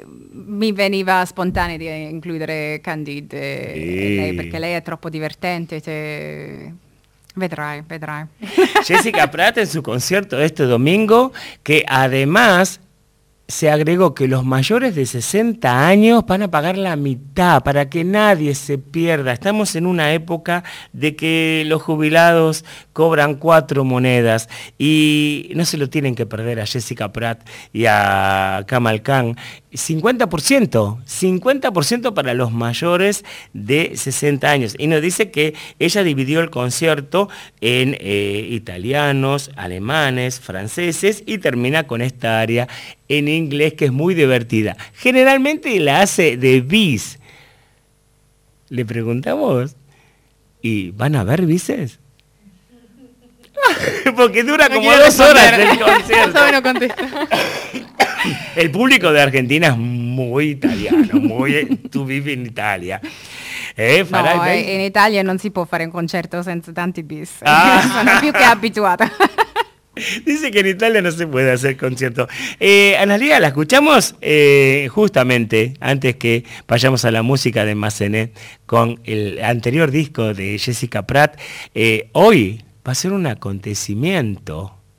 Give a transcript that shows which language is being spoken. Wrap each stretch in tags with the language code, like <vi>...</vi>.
<it>Mi veniva spontaneo di includere Candide, lei, perché lei è troppo divertente. Vedrai.</it> <es>Jessica Pratt en su concierto este domingo, que además se agregó que los mayores de 60 años van a pagar la mitad para que nadie se pierda. Estamos en una época de que los jubilados cobran 4 monedas y no se lo tienen que perder a Jessica Pratt y a Kamal Khan. 50% para los mayores de 60 años. Y nos dice que ella dividió el concierto en italianos, alemanes, franceses y termina con esta aria en inglés que es muy divertida. Generalmente la hace de bis. Le preguntamos, ¿y van a ver bises? Porque dura como 2 horas el concierto. El público de Argentina es muy italiano, tú vives en Italia.</es> <it>In Italia non si può fare un concerto senza tanti bis. Sono più che abituata.</it> <es>Dice que en Italia no se puede hacer concierto. Analia, la escuchamos justamente antes que vayamos a la música de Massenet con el anterior disco de Jessica Pratt. Hoy va a ser un acontecimiento.</es>